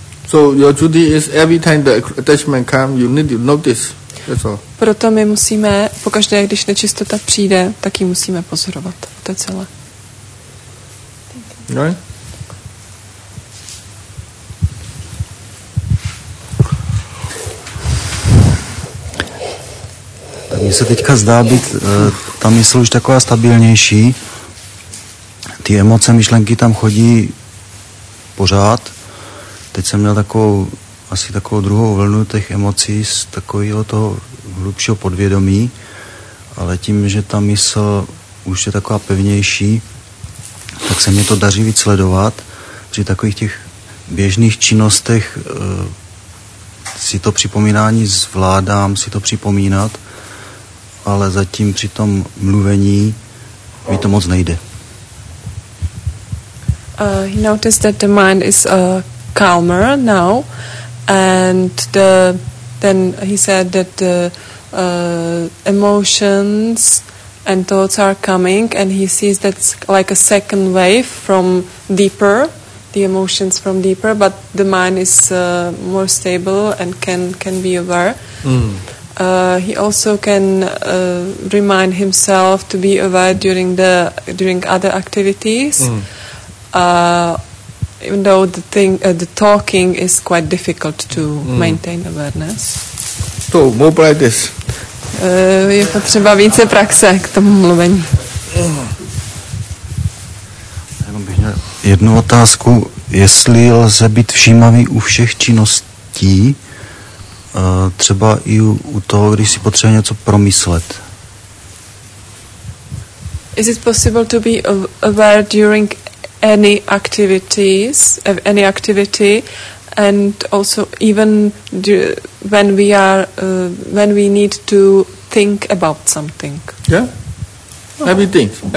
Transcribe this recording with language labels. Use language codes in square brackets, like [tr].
[en] So your duty is every time the attachment comes, you need to notice. That's all. [cs] Proto my musíme, pokaždé, když nečistota přijde, tak ji musíme pozorovat. To je celé. Tak mi se teďka zdá být ta mysl už taková stabilnější. Ty emoce, myšlenky tam chodí pořád. Teď jsem měl takovou druhou vlnu těch emocí z takového toho hlubšího podvědomí, ale tím, že ta mysl už je taková pevnější, tak se mě to daří víc sledovat. Při takových těch běžných činnostech si to připomínání zvládám, si to připomínat, ale zatím při tom mluvení mi to moc nejde. [en] You notice that the mind is calmer now, and then he said that the emotions and thoughts are coming, and he sees that's like a second wave from deeper, the emotions from deeper, but the mind is more stable and can be aware. Mm. He also can remind himself to be aware during other activities, even though the talking is quite difficult to maintain awareness. So more practice. [cs] Je potřeba více praxe k tomu mluvení. Jenom bych měl jednu otázku, jestli lze být všímavý u všech činností, třeba i u toho, když si potřebuje něco promyslet. [en] Is it possible to be aware during any activities, any activity, and also even when we are when we need to think about something? Yeah. Everything.